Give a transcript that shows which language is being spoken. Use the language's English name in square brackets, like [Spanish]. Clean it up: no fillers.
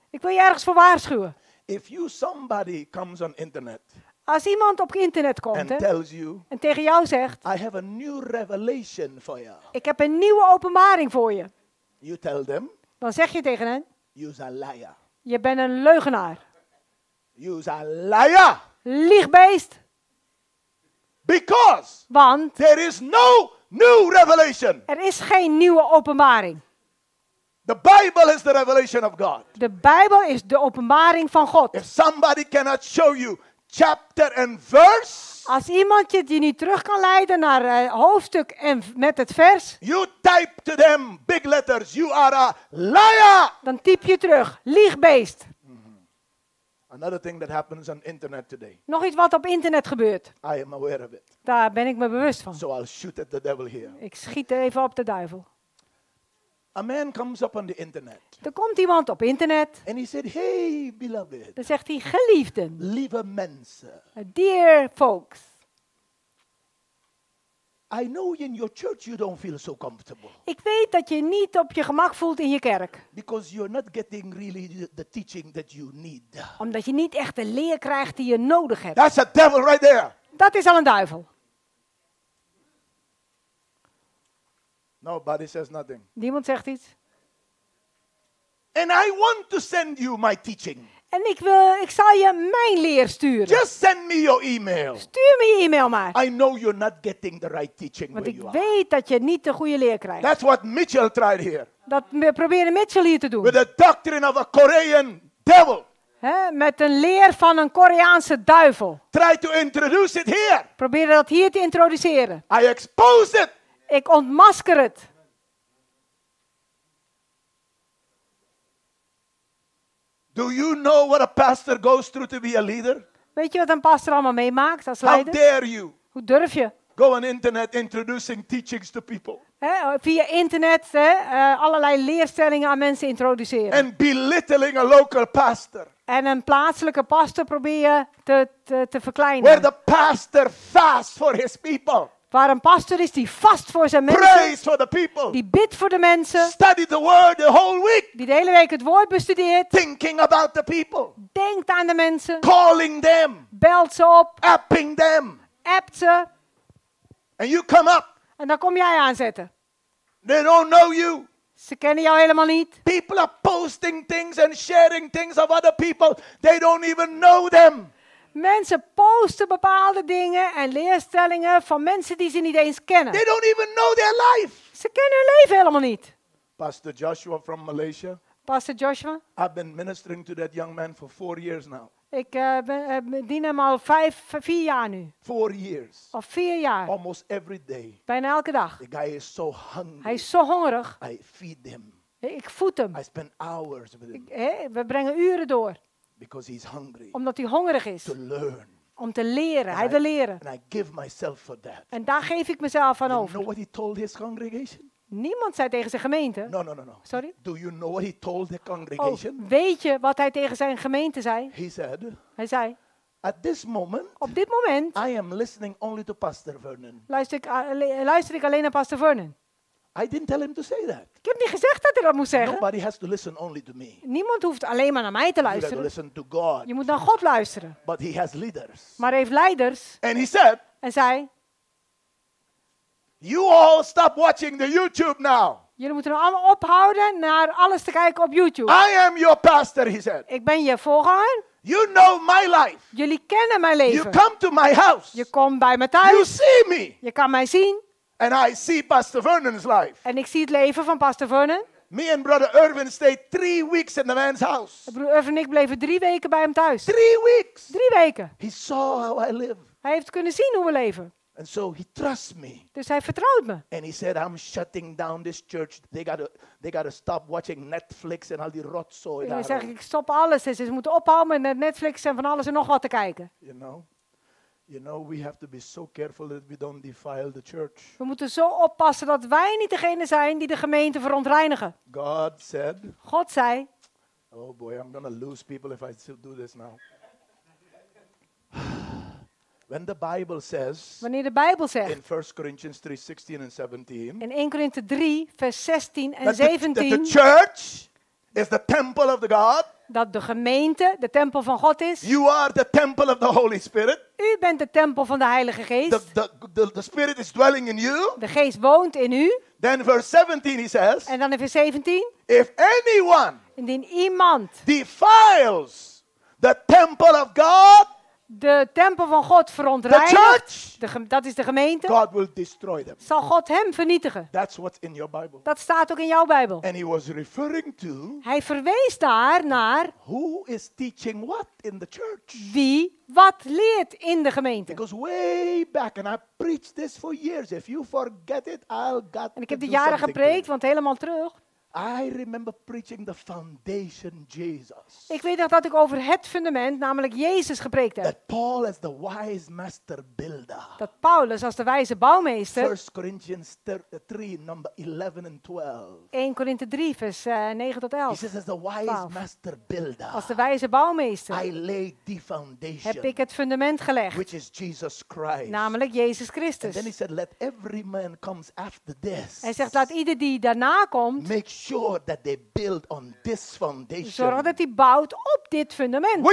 [Dutch] Ik wil je ergens voor waarschuwen. [English] If you somebody comes on internet. [Dutch] Als iemand op internet komt [English] and tells you, [Dutch] en tegen jou zegt. [English] I have a new revelation for you. [Dutch] Ik heb een nieuwe openbaring voor je. [English] You tell them. [Dutch] Dan zeg je tegen hen. [English] You's a liar. [Dutch] Je bent een leugenaar. [English] You's a liar. [Dutch] Liegbeest. [English] Because. [Dutch] Want. [English] There is no new revelation. [Dutch] Er is geen nieuwe openbaring. [English] The Bible is the revelation of God. [Dutch] De Bijbel is de openbaring van God. [English] If somebody cannot show you chapter and verse. [Dutch] Als iemand je die niet terug kan leiden naar hoofdstuk en met het vers. [English] You type to them big letters. You are a liar. [Dutch] Dan typ je terug. Liegbeest. Mm-hmm. [English] Another thing that happens on internet today. [Dutch] Nog iets wat op internet gebeurt. [English] I am aware of it. [Dutch] Daar ben ik me bewust van. [English] So I'll shoot at the devil here. [Dutch] Ik schiet even op de duivel. [English] A man comes up on the internet. [Dutch] Er komt iemand op internet. [English] And he said, hey, beloved. [Dutch] Dan zegt hij, geliefden. Lieve mensen. [English] Dear folks. I know in your church you don't feel so comfortable. [Dutch] Ik weet dat je niet op je gemak voelt in je kerk. [English] Because you're not getting really the teaching that you need. [Dutch] Omdat je niet echt de leer krijgt die je nodig hebt. [English] That's a devil right there. [Dutch] Dat is al een duivel. [English] Nobody says nothing. [Dutch] Niemand zegt iets. [English] And I want to send you my teaching. [Dutch] En ik zal je mijn leer sturen. [English] Just send me your email. [Dutch] Stuur me je e-mail maar. [English] I know you're not getting the right teaching. [Dutch] Want [English] where [Dutch] ik [English] you [Dutch] weet [English] are. [Dutch] Dat je niet de goede leer krijgt. [English] That's what Mitchell tried here. [Dutch] Dat probeerde Mitchell hier te doen. [English] With the doctrine of a Korean devil. [Dutch] He, met een leer van een Koreaanse duivel. [English] Try to introduce it here. [Dutch] Probeer dat hier te introduceren. [English] I expose it. [Dutch] Ik ontmasker het. [English] Do you know what a pastor goes through to be a leader? [Dutch] Weet je wat een pastor allemaal meemaakt als [English] How [Dutch] leider? [English] How dare you? [Dutch] Hoe durf je? [English] Go on internet introducing teachings to people. [Dutch] He, via internet allerlei leerstellingen aan mensen introduceren. [English] And belittling a local pastor. [Dutch] En een plaatselijke pastor probeer je te verkleinen. [English] Where the pastor fasts for his people. [Dutch] Waar een pastor is die vast voor zijn mensen. [English] Praise for the people. [Dutch] Die bidt voor de mensen. [English] Study the word the whole week. [Dutch] Die de hele week het woord bestudeert. [English] Thinking about the people. [Dutch] Denkt aan de mensen. [English] Calling them. [Dutch] Belt ze op. [English] Apping them. [Dutch] Appt ze. [English] And you come up. [Dutch] En dan kom jij aanzetten. [English] They don't know you. [Dutch] Ze kennen jou helemaal niet. [English] People are posting things and sharing things of other people. They don't even know them. [Dutch] Mensen posten bepaalde dingen en leerstellingen van mensen die ze niet eens kennen. [English] They don't even know their life. [Dutch] Ze kennen hun leven helemaal niet. [English] Pastor Joshua from Malaysia. Pastor Joshua. I've been ministering to that young man for 4 years now. [Dutch] Ik dien hem al 4 jaar nu. [English] 4 years. [Dutch] Of 4 jaar. [English] Almost every day. [Dutch] Bijna elke dag. [English] The guy is so hungry. [Dutch] Hij is zo hongerig. [English] I feed him. [Dutch] Ik voed hem. [English] I spend hours with him. [Dutch] We brengen uren door. [English] Because he's hungry. [Dutch] Omdat hij hongerig is. [English] To learn. [Dutch] Om te leren. And hij wil leren. [English] And I give myself for that. [Dutch] En daar geef ik mezelf aan over. [English] You know what he told his congregation? [Dutch] Niemand zei tegen zijn gemeente. [English] No. Sorry. Do you know what he told the congregation? [Dutch] Oh, weet je wat hij tegen zijn gemeente zei? [English] He said. [Dutch] Hij zei. [English] At this moment. [Dutch] Op dit moment. [English] I am listening only to Pastor Vernon. [Dutch] Luister ik alleen naar Pastor Vernon. [English] I didn't tell him to say that. [Dutch] Ik heb niet gezegd dat hij dat moest zeggen. [English] Nobody has to listen only to me. [Dutch] Niemand hoeft alleen maar naar mij te luisteren. [English] You have to listen to God. [Dutch] Je moet naar God luisteren. [English] But he has leaders. [Dutch] Maar hij heeft leiders. [English] And he said. [Dutch] En zei. [English] You all stop watching the YouTube now. [Dutch] Jullie moeten nou allemaal ophouden naar alles te kijken op YouTube. [English] I am your pastor, he said. [Dutch] Ik ben je voorganger. [English] You know my life. [Dutch] Jullie kennen mijn leven. [English] You come to my house. [Dutch] Je komt bij me thuis. [English] You see me. [Dutch] Je kan mij zien. [English] And I see Pastor Vernon's life. [Dutch] En ik zie het leven van Pastor Vernon. [English] Me and Brother Irvin stayed 3 weeks in the man's house. [Dutch] Broer Irvin en ik bleven 3 weken bij hem thuis. [English] 3 weeks. [Dutch] 3 weken. [English] He saw how I live. [Dutch] Hij heeft kunnen zien hoe we leven. [English] And so he trusts me. [Dutch] Dus hij vertrouwt me. [English] And he said, I'm shutting down this church. They gotta stop watching Netflix [Dutch] en al die rotzooi. Hij zegt, ik stop alles. Ze moeten ophouden met Netflix en van alles en nog wat te kijken. [English] You know. You know, we have to be so careful that we don't defile the church. [Dutch] We moeten zo oppassen dat wij niet degene zijn die de gemeente verontreinigen. [English] God said. [Dutch] God zei. [English] Oh boy, I'm gonna lose people if I still do this now. When the Bible says. [Dutch] Wanneer de Bijbel zegt. [English] In 1 Corinthians 3, 16 and 17. [Dutch] In 1 Corinthians 3, vers 16 en 17. [English] That the church is the temple of the God. [Dutch] Dat de gemeente de tempel van God is. [English] You are the temple of the Holy Spirit. [Dutch] U bent de tempel van de Heilige Geest. [English] The Spirit is dwelling in you. [Dutch] De Geest woont in u. [English] Then verse 17 he says. [Dutch] En dan in vers 17. [English] If anyone. [Dutch] Indien iemand. [English] Defiles the temple of God. [Dutch] De tempel van God verontreinigt. [English] The church. [Dutch] Dat is de gemeente. [English] God will destroy them. [Dutch] Zal God hem vernietigen. [English] That's what's in your Bible. [Dutch] Dat staat ook in jouw Bijbel. [English] And he was referring to. [Dutch] Hij verwees daar naar. [English] Who is teaching what in the church? [Dutch] Wie wat leert in de gemeente? [English] Because way back and I preached this for years. If you forget it, I'll got. [Dutch] En ik heb de jaren gepreekt, want helemaal terug. [English] I remember preaching the foundation Jesus. [Dutch] Ik weet nog dat ik over het fundament, namelijk Jezus, gepreekt heb. [English] That Paul as the wise master builder. [Dutch] Dat Paulus als de wijze bouwmeester. [English] 1 Corinthians 3, number 11 and 12. [Dutch] 1 Corinthians 3, vers 9 tot 11. [English] He says as the wise master builder. [Dutch] Als de wijze bouwmeester. [English] I laid the foundation. [Dutch] Heb ik het fundament gelegd. [English] Which is Jesus Christ. [Dutch] Namelijk Jezus Christus. [English] And then he said, let every man comes after this. [Dutch] Hij zegt, laat ieder die daarna komt. [English] Make sure that they build on this foundation. [Dutch] Zorg dat hij bouwt op dit fundament.